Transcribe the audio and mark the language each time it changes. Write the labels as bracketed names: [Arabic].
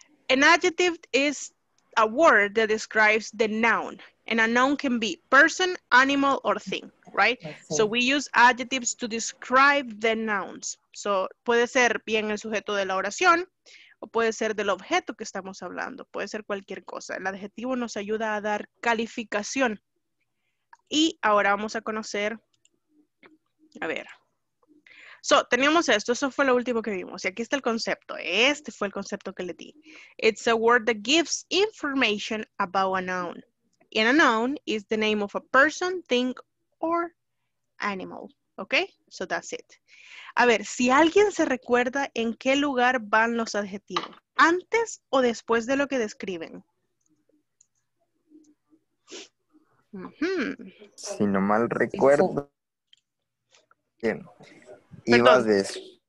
[English] An adjective is a word that describes the noun. And a noun can be person, animal, or thing, right? So we use adjectives to describe the nouns. [Spanish] So puede ser bien el sujeto de la oración, o puede ser del objeto que estamos hablando. Puede ser cualquier cosa. El adjetivo nos ayuda a dar calificación. Y ahora vamos a conocer... A ver, so, teníamos esto, eso fue lo último que vimos, y aquí está el concepto, este fue el concepto que le di. [English] It's a word that gives information about a noun, and a noun is the name of a person, thing, or animal, okay? So that's it. [Spanish] A ver, si alguien se recuerda en qué lugar van los adjetivos, antes o después de lo que describen. Si no mal recuerdo... Bien. Iba de eso.